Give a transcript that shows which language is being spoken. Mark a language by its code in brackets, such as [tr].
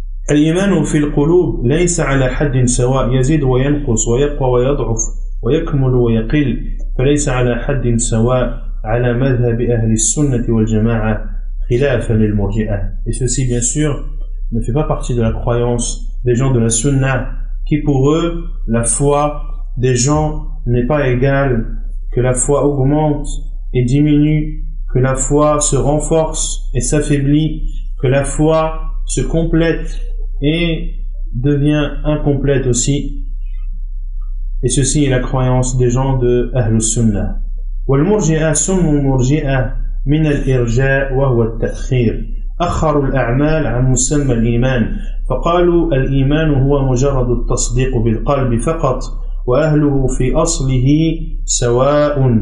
[ar] الإيمان في القلوب ليس على حد سواء يزيد وينقص ويقوى ويضعف ويكمل ويقل فليس على حد سواء على مذهب أهل السنة والجماعة خلافا للمرجئة. [fr] Et ceci bien sûr ne fait pas partie de la croyance des gens de la Sunna qui pour eux la foi des gens n'est pas égale, que la foi augmente et diminue, que la foi se renforce et s'affaiblit, que la foi se complète et devient incomplète aussi. Et ceci est la croyance des gens de Ahlus Sunnah. [ar] والمرجئة سموا مرجئة من الإرجاء وهو التأخير. أخروا الأعمال عن مسمى الإيمان. فقالوا الإيمان هو مجرد التصديق بالقلب فقط وأهله في أصله سواء.